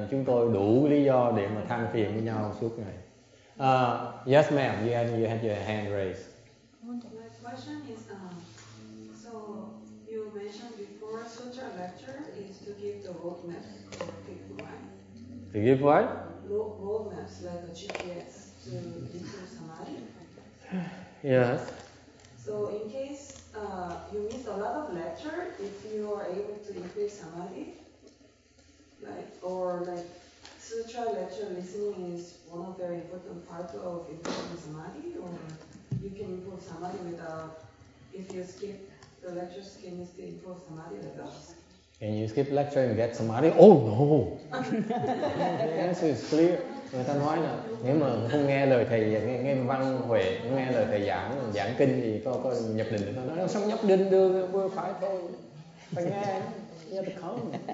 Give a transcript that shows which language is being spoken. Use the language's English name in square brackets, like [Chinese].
[Vietnamese] Chúng tôi đủ lý do để mà than phiền với nhau suốt ngày. [English] Yes, ma'am, you had your hand raised. My question is, so you mentioned before, sutra lecture is to give the roadmap for people, right? To give what? Roadmaps, like a GPS to improve samadhi. Yes. So in case you miss a lot of lecture, if you are able to increase samadhi, like sutra lecture listening is one of very important parts of improving samadhi, or you can improve samadhi without, if you skip the lectures, can you still improve samadhi without? Can you skip lecture and get samadhi? Oh no! The answer is clear. [Vietnamese] Người ta nói là nếu mà không nghe lời thầy, nghe văn huệ, nghe lời thầy giảng kinh thì có nhập định được. Nó nói xong nhập định được vừa phải thôi. Phải nghe, nghe được không?